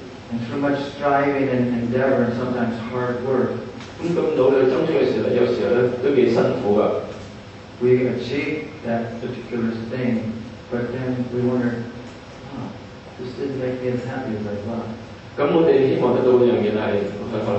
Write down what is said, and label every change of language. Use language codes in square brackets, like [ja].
[en] And too much striving and endeavor and sometimes hard work. [yue] 咁努力爭取嘅時候咧，有時候咧都幾辛苦噶。 [en] We achieved that particular thing, but then we wondered, this didn't make me as happy as I thought.